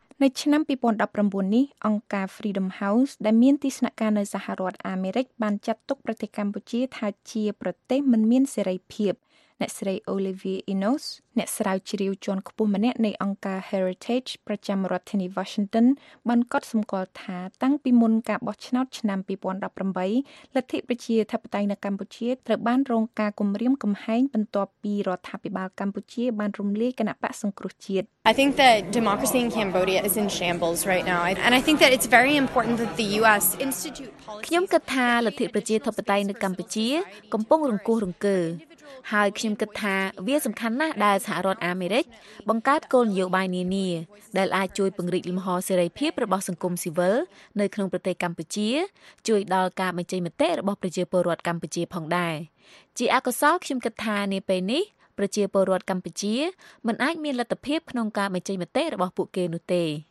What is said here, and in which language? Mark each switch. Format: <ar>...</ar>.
<km>នៅឆ្នាំ2019នេះអង្គការ Freedom House ដែលមានទីស្នាក់ការនៅសហរដ្ឋអាមេរិកបានចាត់ទុកប្រទេសកម្ពុជាថាជាប្រទេសមិនមានសេរីភាពអ្នកស្រី Olivia Inos អ្នកស្រាវជ្រាវជាន់ខ្ពស់ម្នាក់នៃអង្គការ Heritage ប្រចាំរដ្ឋធានី Washington បានកត់សម្គាល់ថាតាំងពីមុនការបោះឆ្នោតឆ្នាំ2018លទ្ធិប្រជាធិបតេយ្យនៅកម្ពុជាត្រូវបានរងការគំរាមកំហែងបន្ទាប់ពីរដ្ឋាភិបាលកម្ពុជាបានរំលាយគណបក្សសង្គ្រោះជាតិ</km> <en>I think that democracy in Cambodia is in shambles right now and I think that it's very important that the US institute policy</en> <km>ខ្ញុំគិតថាលទ្ធិប្រជាធិបតេយ្យនៅកម្ពុជាកំពុងរង្គោះរង្គើ ហើយខ្ញុំគិតថាវាសំខាន់ណាស់ដែលសហរដ្ឋអាមេរិកបង្កើតគោលនយោបាយនានាដែលអាចជួយពង្រីកលំហសេរីភាពរបស់សង្គមស៊ីវិលនៅក្នុងប្រទេសកម្ពុជាជួយដល់ការបញ្ចេញមតិរបស់ប្រជាពលរដ្ឋកម្ពុជាផងដែរជាអកុសលខ្ញុំគិតថានាពេលនេះប្រជាពលរដ្ឋកម្ពុជាមិនអាចមានលទ្ធភាពក្នុងការបញ្ចេញមតិរបស់ពួកគេនោះទេ</km>